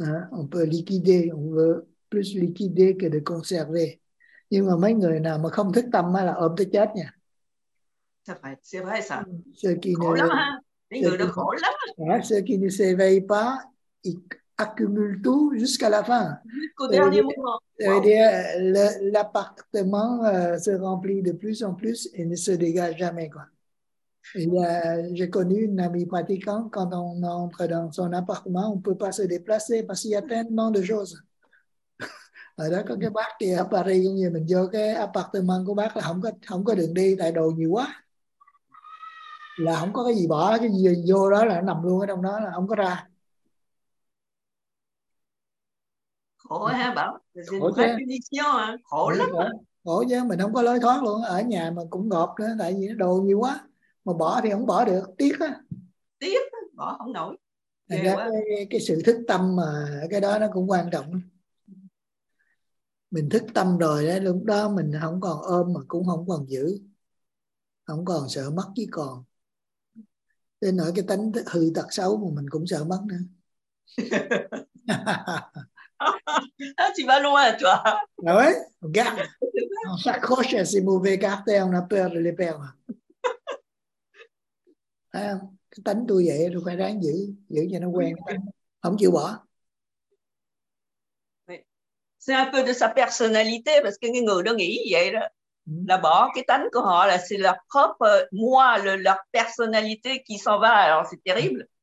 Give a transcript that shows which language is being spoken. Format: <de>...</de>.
<fr>On peut liquider, on veut plus liquider que de conserver.</fr> <vi>Nhưng mà mấy người nào mà không thức tâm là ôm tới chết nha.</vi> <fr>C'est vrai, c'est vrai ça.</fr> <vi>Khổ lắm,</vi> <fr>hein? Les gars,</fr> <vi>khổ lắm.</vi> <fr>Ceux qui ne s'éveillent pas, ils accumulent tout jusqu'à la fin. Jusqu'au dernier moment. C'est-à-dire, l'appartement se remplit de plus en plus et ne se dégage jamais, quoi. J'ai connu une amie pratiquante, quand on entre dans son appartement, on ne peut pas se déplacer parce qu'il y a tellement de choses.</fr> <vi>Alors, quand cái bác kia Paris, giống như mình vô cái appartement của bác là không có đường đi, tại đồ nhiều quá. Là không có cái gì bỏ, cái gì vô đó là nó nằm luôn ở trong đó, là không có ra. Khổ hả bảo? Khổ chứ. Khổ chứ, mình không có lối thoát luôn, ở nhà mà cũng ngọt nữa, tại vì nó đồ nhiều quá. Mà bỏ thì không bỏ được, tiếc á. Tiếc, bỏ không nổi. Thành ra cái sự thức tâm mà cái đó nó cũng quan trọng. Mình thức tâm rồi đấy, lúc đó mình không còn ôm mà cũng không còn giữ. Không còn sợ mất chứ còn. Nên nói cái tánh hư tật xấu mà mình cũng sợ mất nữa.</vi> <fr>Tu vas loin, toi. Ouais, regarde. On s'accroche à ces mauvais caractères, on a peur de les perdre.</fr> <vi>Thấy không? Cái tánh tôi vậy tôi phải ráng giữ cho nó quen, không chịu bỏ.</vi> <fr>C'est un peu de sa personnalité parce que</fr> <vi>cái người đó nghĩ vậy đó. Là bỏ cái tánh của họ là</vi> <fr>c'est leur propre moi, leur personnalité qui s'en va. Alors c'est terrible.</fr>